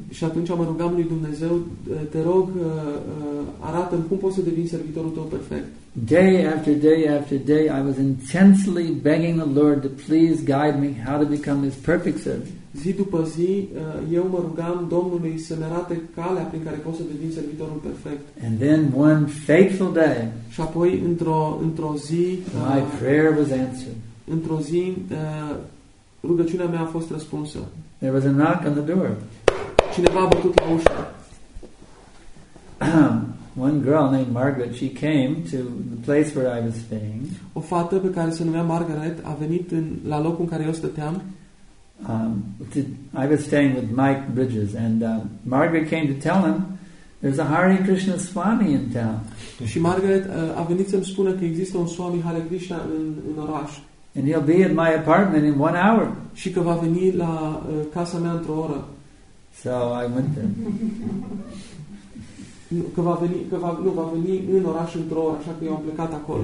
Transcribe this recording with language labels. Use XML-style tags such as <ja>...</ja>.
<ro>Și atunci mă rugam lui Dumnezeu, te rog, arată-mi cum pot să devin servitorul tău perfect.</ro> <en>Day after day after day, I was intensely begging the Lord to please guide me how to become his perfect servant.</en> <ro>Zi după zi, eu mă rugam Domnului să-mi arate calea prin care pot să devin servitorul perfect.</ro> <en>And then one fateful day,</en> <ro>și apoi într-o zi,</ro> <en>my prayer was answered.</en> <ro>Într-o zi, rugăciunea mea a fost răspunsă.</ro> <en>There was a knock on the door.</en> <ro>Cineva a bătut la ușă.</ro> <en>One girl named Margaret, she came to the place where I was staying.</en> <ro>O fată pe care se numea Margaret a venit la locul în care eu stăteam.</ro> <en>I was staying with Mike Bridges, and Margaret came to tell him there's a Hare Krishna Swami in town.</en> <ro>Și Margaret a venit să-mi spună că există un Swami Hare Krishna în oraș.</ro> <en>And he'll be in my apartment in 1 hour.</en> <ro>Și că va veni la casa mea într-o oră.</ro> <en>So I went there.</en> <ro>Va veni în oraș într-o oră, așa că eu am plecat acolo.</ro>